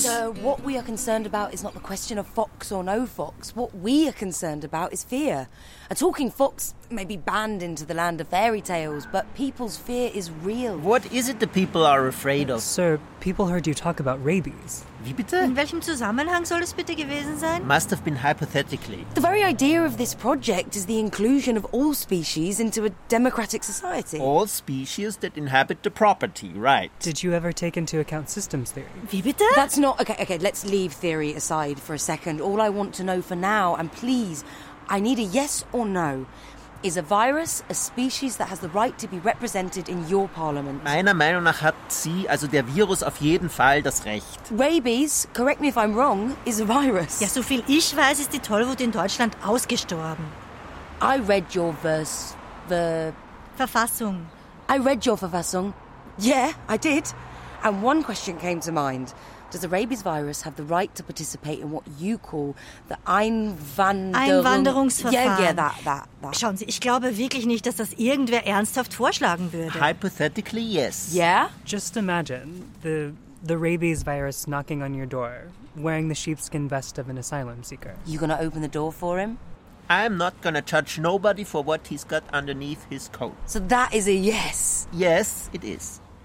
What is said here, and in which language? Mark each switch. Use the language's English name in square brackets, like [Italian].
[English] Sir, what we are concerned about is not the question of fox or no fox. What we are concerned about is fear. A talking fox may be banned into the land of fairy tales, but people's fear is real. What is it the people are afraid of? Sir, people heard you talk about rabies. [German] Wie bitte? In welchem Zusammenhang soll es bitte gewesen sein? [English] Must have been hypothetically. The very idea of this project is the inclusion of all species into a democratic society. All species that inhabit the property, right. Did you ever take into account systems theory? [German] Wie bitte? [English] That's not... Okay, let's leave theory aside for a second. All I want to know for now, and please, I need a yes or no. Is a virus a species that has the right to be represented in your parliament? [German] Meiner Meinung nach hat sie, also der Virus, auf jeden Fall das Recht. [English] Rabies, correct me if I'm wrong, is a virus. [German] Ja, so viel ich weiß, ist die Tollwut in Deutschland ausgestorben. [English] I read your verse, the... [German] Verfassung. [English] I read your Verfassung. Yeah, I did. And one question came to mind. Does the rabies virus have the right to participate in what you call the [German] Einwanderungsverfahren? [English] Yeah, yeah, that. [German] Schauen Sie, ich glaube wirklich nicht, dass das irgendwer ernsthaft vorschlagen würde. [English] Hypothetically, yes. Yeah? Just imagine the rabies virus knocking on your door, wearing the sheepskin vest of an asylum seeker. You gonna open the door for him? I'm not gonna judge nobody for what he's got underneath his coat. So that is a yes. Yes, it is.